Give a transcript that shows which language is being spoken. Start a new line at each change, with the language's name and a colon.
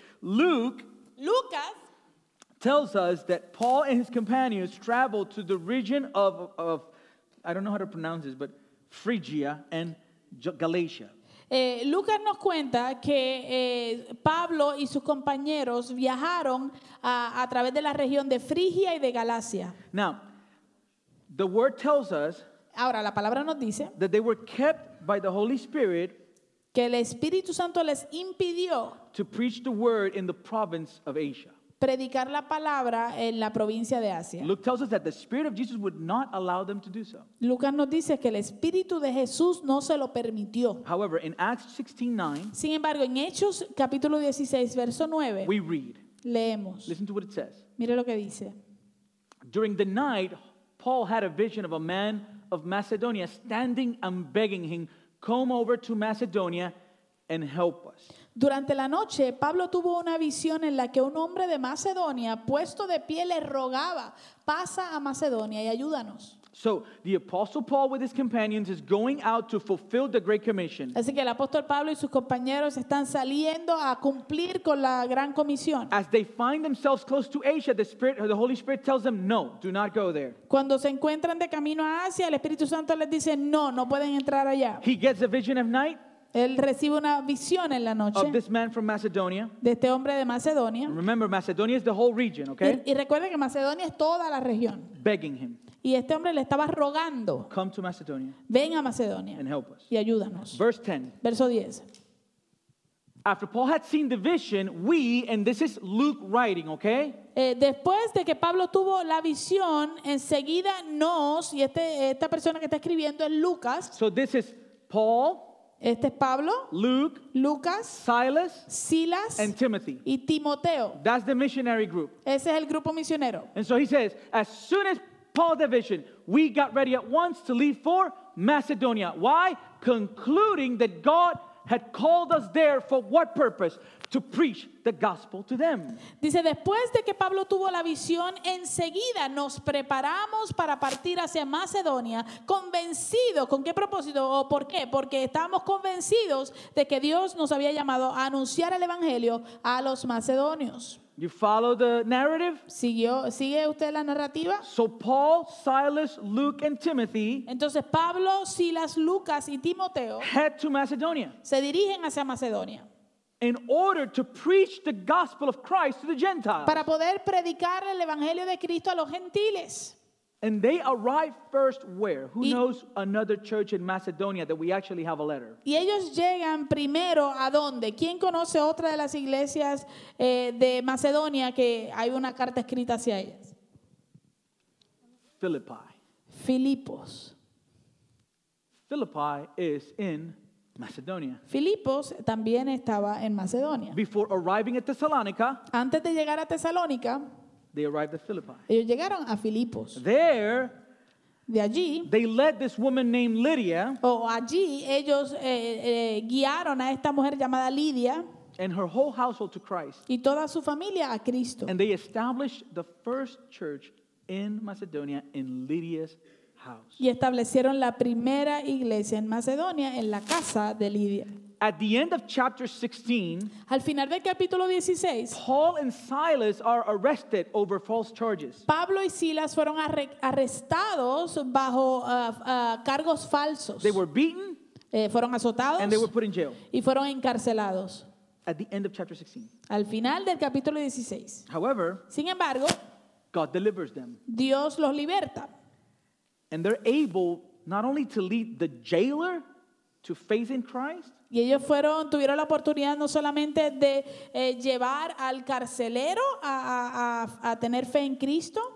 English: Lucas tells us that Paul and his companions traveled to the region of I don't know how to pronounce this, but Phrygia and Galatia.
Spanish: Lucas nos cuenta que Pablo y sus compañeros viajaron a través de la región de Frigia y de Galacia.
English: Now, the word tells us,
Spanish: ahora la palabra nos dice,
English: that they were kept by the Holy Spirit,
Spanish: que el Espíritu Santo les impidió,
English: to preach the word in the province of Asia.
Spanish: Predicar la palabra en la provincia de Asia.
English: Luke tells us that the Spirit of Jesus would not allow them to do so.
Spanish: Lucas nos dice que el Espíritu de Jesús no se lo permitió.
English: However, in Acts 16:9,
Spanish: sin embargo, en Hechos capítulo 16, verso 9,
English: we read.
Spanish: Leemos.
English: Listen to what it says.
Spanish: Mire lo que dice.
English: During the night, Paul had a vision of a man of Macedonia standing and begging him, "Come over to Macedonia and help us."
Spanish: Durante la noche, Pablo tuvo una visión en la que un hombre de Macedonia, puesto de pie, le rogaba, pasa a Macedonia y ayúdanos.
English: So, the Apostle Paul with his companions is going out to fulfill the Great Commission.
Spanish: Así que el apóstol Pablo y sus compañeros están saliendo a cumplir con la gran comisión.
English: As they find themselves close to Asia, the Holy Spirit tells them, no, do not go there.
Spanish: Cuando se encuentran de camino a Asia, el Espíritu Santo les dice, no, no pueden entrar allá.
English: He gets a vision of night.
Spanish: Él recibe una visión en la noche
English: of this man from Macedonia.
Spanish: De este hombre de Macedonia.
English: And remember, Macedonia is the whole region, okay?
Spanish: Y recuerde que Macedonia es toda la región.
English: Begging him.
Spanish: Y este hombre le estaba rogando.
English: Come to Macedonia.
Spanish: Ven a Macedonia.
English: And help us.
Spanish: Y ayúdanos.
English: Verse 10.
Spanish: Verso 10.
English: After Paul had seen the vision, we, and this is Luke writing, okay?
Spanish: Después de que Pablo tuvo la visión, enseguida nos, y esta persona que está escribiendo es Lucas.
English: So this is Paul.
Spanish: Este es Pablo,
English: Luke,
Spanish: Lucas,
English: Silas,
Spanish: Silas,
English: and Timothy.
Spanish: Y Timoteo.
English: That's the missionary group.
Spanish: Ese es el grupo misionero.
English: And so he says, as soon as Paul had vision, we got ready at once to leave for Macedonia. Why? Concluding that God had called us there for what purpose? To preach the gospel to them.
Spanish: Dice, después de que Pablo tuvo la visión, enseguida nos preparamos para partir hacia Macedonia, convencidos, ¿con qué propósito o por qué? Porque estábamos convencidos de que Dios nos había llamado a anunciar el evangelio a los macedonios.
English: You follow the narrative?
Spanish: ¿Sigue usted la narrativa?
English: So Paul, Silas, Luke, and Timothy.
Spanish: Entonces Pablo, Silas, Lucas y Timoteo
English: head to Macedonia.
Spanish: Se dirigen hacia Macedonia.
English: in order to preach the gospel of Christ to the Gentiles.
Spanish: Para poder predicar el evangelio de Cristo a los gentiles.
English: And they arrive first where? Who knows another church in Macedonia that we actually have a letter?
Spanish: Y ellos llegan primero a dónde? ¿Quién conoce otra de las iglesias de Macedonia que hay una carta escrita hacia ellas?
English: Philippi.
Spanish: Filipos.
English: Philippi is in Macedonia.
Spanish: Filipos también estaba en Macedonia.
English: Before arriving at Thessalonica,
Spanish: antes de llegar a Tesalónica,
English: they arrived at Philippi.
Spanish: Ellos llegaron a Filipos.
English: There,
Spanish: de allí,
English: they led this woman named Lydia.
Spanish: Allí ellos guiaron a esta mujer llamada Lidia.
English: And her whole household to Christ.
Spanish: Y toda su familia a Cristo.
English: And they established the first church in Macedonia in Lydia's house.
Spanish: Y establecieron la primera iglesia en Macedonia en la casa de Lidia.
English: At the end of chapter 16,
Spanish: al final del capítulo 16,
English: Paul and Silas are arrested over false charges.
Spanish: Pablo y Silas fueron arrestados bajo cargos falsos.
English: They were beaten,
Spanish: fueron azotados,
English: and they were put in jail.
Spanish: Y fueron encarcelados.
English: At the end of chapter 16.
Spanish: Al final del capítulo 16.
English: However,
Spanish: sin embargo,
English: God delivers them.
Spanish: Dios los liberta.
English: And they're able not only to lead the jailer to faith in Christ.
Spanish: Y ellos tuvieron la oportunidad no solamente de llevar al carcelero a tener fe en Cristo,